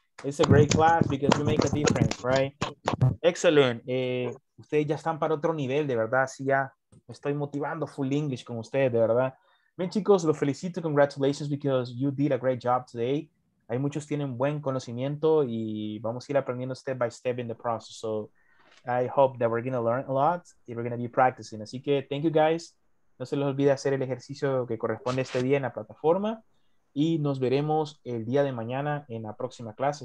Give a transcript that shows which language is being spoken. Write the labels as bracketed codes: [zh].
[en] It's a great class because you make a difference, right? Excellent. [es] Ustedes ya están para otro nivel, de verdad. Así ya me estoy motivando [en] full English [es] con ustedes, de verdad. Bien, chicos, los felicito. [en] Congratulations because you did a great job today. [es] Hay muchos tienen buen conocimiento y vamos a ir aprendiendo [en] step by step in the process. So I hope that we're going to learn a lot and we're going to be practicing. [es] Así que [en] thank you guys. [es] No se les olvide hacer el ejercicio que corresponde este día en la plataforma y nos veremos el día de mañana en la próxima clase.